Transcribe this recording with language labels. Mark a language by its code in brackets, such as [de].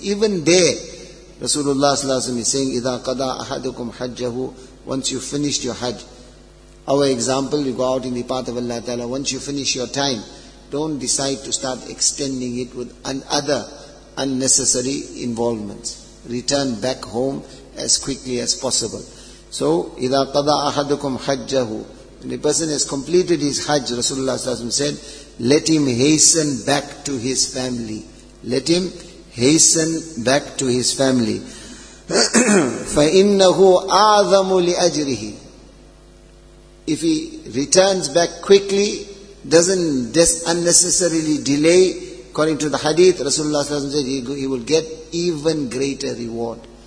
[en] Even there, Rasulullah sallallahu alaihi wasallam is saying, [ar] إِذَا قَضَىٰ أَحَدُكُمْ حَجَّهُ. [en] Once you finished your hajj. Our example, you go out in the path of Allah Ta'ala, once you finish your time, don't decide to start extending it with other unnecessary involvements. Return back home as quickly as possible. So, [ar] إِذَا قَضَىٰ أَحَدُكُمْ حَجَّهُ. [en] When a person has completed his hajj, Rasulullah sallallahu alaihi wasallam said, let him hasten back to his family. Let him hasten back to his family. [ar] فَإِنَّهُ أَعْظَمُ لِأَجْرِهِ. [en] If he returns back quickly, doesn't unnecessarily delay, according to the hadith, Rasulullah sallallahu alaihi wasallam said, he will get even greater reward.